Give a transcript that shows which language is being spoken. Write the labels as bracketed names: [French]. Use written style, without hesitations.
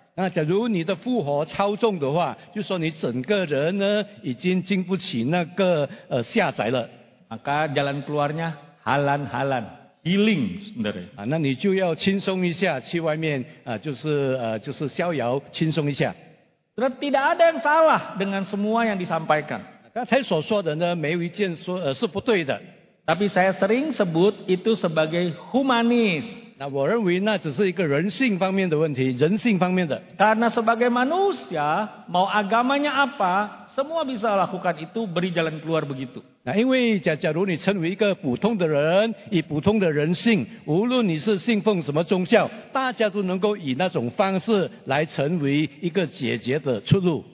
[Chinese] Nah, 假如你的负荷超重的话，就说你整个人呢已经经不起那个下载了. [Indonesian] Maka jalan keluarnya halan-halan. Healing, sebenarnya. [Chinese] 那你就要轻松一下，去外面就是逍遥，轻松一下。 [Indonesian] Tidak ada yang salah dengan semua yang disampaikan. [Chinese] 刚才所说的呢，没有一件说是不对的。 [Indonesian] Tapi saya sering sebut itu sebagai humanis. [Chinese] 那我认为那只是一个人性方面的问题，人性方面的。 [Indonesian] Karena sebagai manusia, mau agamanya apa, semua bisa lakukan itu beri jalan keluar begitu. [Chinese] Nah, 因为假如你成为一个普通的人，以普通的人性，无论你是信奉什么宗教，大家都能够以那种方式来成为一个解决的出路。